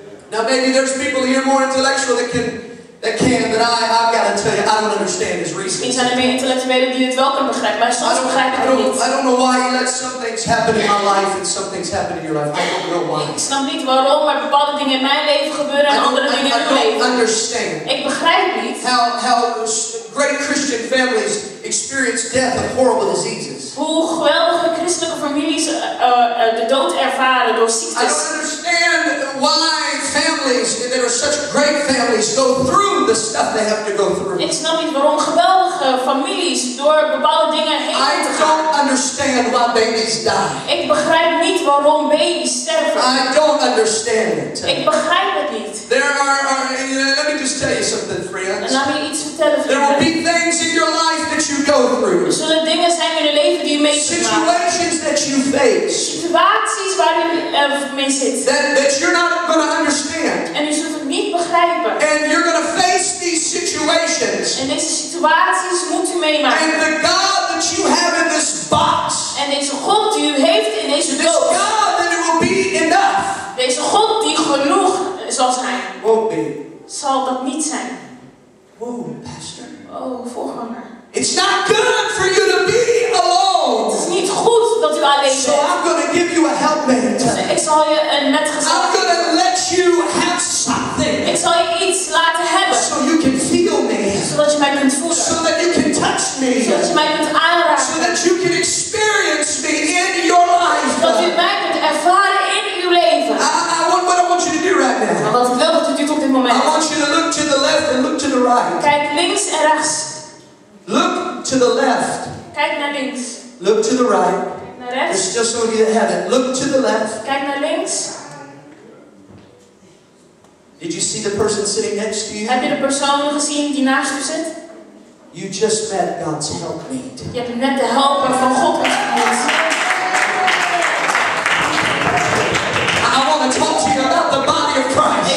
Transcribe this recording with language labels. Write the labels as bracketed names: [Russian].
[English] Now maybe there's people here more intellectual that can, but I've got to tell you, I don't understand his reasons. [Dutch] Misschien zijn er meer intellectuelen die het wel kunnen begrijpen, maar soms begrijp ik het niet. [English] I don't know why he lets some things happen in my life and some things happen in your life. I don't know why. [Dutch] Ik snap niet waarom, maar bepaalde dingen in mijn leven gebeuren en andere dingen in uw leven. [English] I don't understand. [Dutch] Ik begrijp niet. [English] How great Christian families experience death of horrible diseases. [Dutch] Hoe geweldige christelijke families de dood ervaren door ziektes. [English] I don't understand why families that are such great families go through the stuff they have to go through. [Dutch] Ik snap niet waarom geweldige families door bepaalde dingen heen gaan. [English] I don't understand why babies die. [Dutch] Ik begrijp niet waarom baby's sterven. [English] I don't understand it. [Dutch] Ik begrijp het niet. [English] There are let me just tell you something, friends. [Dutch] En laat me iets vertellen, vrienden. [English] There will be things in your life that you go through. [Dutch] Er zullen dingen zijn in je leven die je mee te maken. [English] Situations that you face. [Dutch] Situaties waar je mee zit. [English] That you're not going to understand. [Dutch] En je zult het niet begrijpen. [English] And you're going to face these situations. [Dutch] En deze situaties moet je meemaken. [English] And the God that you have in this box. [Dutch] En deze God die u heeft in deze doos. [English] This God that it will be enough. [Dutch] Deze God die genoeg zal zijn. [English] Won't be. [Dutch] Zal dat niet zijn. [English] Oh, pastor. [Dutch] Oh, voorganger. [English] It's not good for you to be alone. [Dutch] Het is niet goed dat u alleen bent. [English] So I'm going to give you a helpmate. [Dutch] Ik zal je een metgezel. [English] I'm going to let you have something. [Dutch] Ik zal je iets laten hebben. [English] So you can feel me. [Dutch] Zodat je mij kunt voelen. [English] So that you can touch me. [Dutch] Zodat je mij kunt aanraken. [English] So that you can experience me in your life. [Dutch] Zodat je mij kunt ervaren in uw leven. [English] I want [Dutch] wat ik wil dat u doet op dit moment. [English] I want you to look to the left and look to the right. [Dutch] Kijk links en rechts. [English] Look to the left. [Dutch] Kijk naar links. [English] Look to the right. [Dutch] Kijk naar rechts. [English] It's just some of you that have it. Look to the left. [Dutch] Kijk naar links. [English] Did you see the person sitting next to you? [Dutch] Heb je de persoon gezien die naast je zit? [English] You just met God's helpmeet. [Dutch] Je hebt net de helper van God ontmoet. [English] I want to talk to you about the body of Christ.